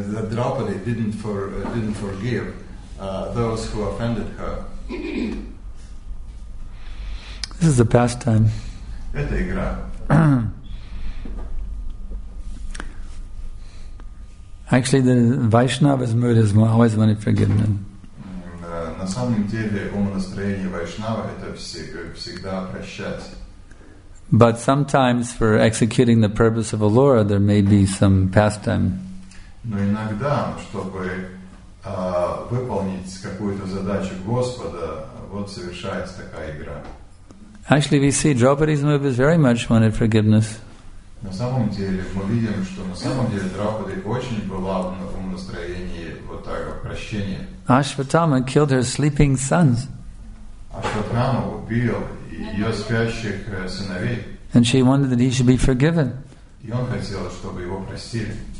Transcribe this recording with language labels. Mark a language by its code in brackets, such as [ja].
[en] Драупади didn't forgive those who offended her. This is a pastime. [ru] Это игра. [en] Actually, the Vaishnava's mood is always wanting forgiveness. [ru] На самом деле, ум настроение Вайшнава это всегда прощать. [en] But sometimes, for executing the purpose of Allura, there may be some pastime. [ru] Но иногда, чтобы выполнить какую-то задачу Господа, вот совершается такая игра. [en] Actually, we see Draupadi's move is very much wanted forgiveness. [ru] На самом деле, мы видим, что на самом деле Драупади очень была в таком настроении вот так, прощения. [en] Ашватама killed her sleeping sons. [ru] Ашватама убил ее спящих сыновей. [en] And she wanted that he should be forgiven. [ru] И он хотел, чтобы его простили.